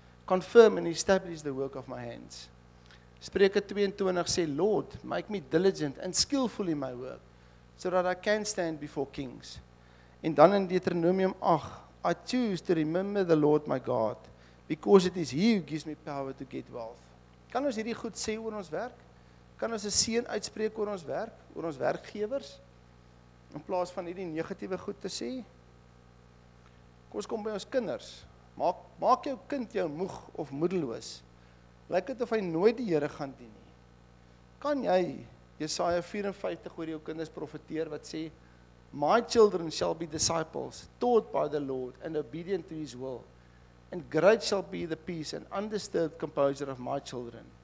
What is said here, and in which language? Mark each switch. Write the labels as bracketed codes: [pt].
[en] Confirm and establish the work of my hands. [af] Spreuke 22 sê, [en] Lord, make me diligent and skillful in my work, so that I can stand before kings. [af] En dan in Deuteronomium 8, [en] I choose to remember the Lord my God, because it is he who gives me power to get wealth. [af] Kan ons hierdie goed sê oor ons werk? Kan ons 'n seën uitspreek oor ons werk, oor ons werkgewers, in plaas van hierdie negatiewe goed te sê? Kom ons kom by ons kinders. Maak jou kind jou moeg of moedeloos? Lyk dit of hy nooit die Here gaan dien nie? Kan jy Jesaja 54 oor jou kinders profeteer wat sê, [en] My children shall be disciples, taught by the Lord and obedient to his will, and great shall be the peace and undisturbed composure of my children.